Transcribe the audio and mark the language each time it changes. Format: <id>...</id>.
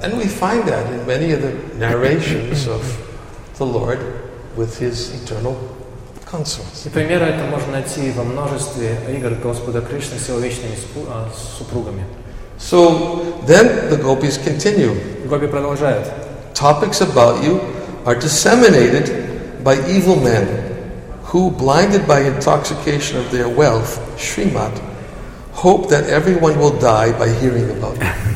<en>And we find that in many of the narrations of the Lord with his eternal consorts.</en> <ru>И примеры это можно найти во множестве игр Господа Кришны с его вечными супругами.</ru> <en>So then the gopis continue.</en> <ru>Гопи продолжают.</ru> <en>Topics about you are disseminated by evil men who, blinded by intoxication of their wealth, Srimat, hope that everyone will die by hearing about you.</en>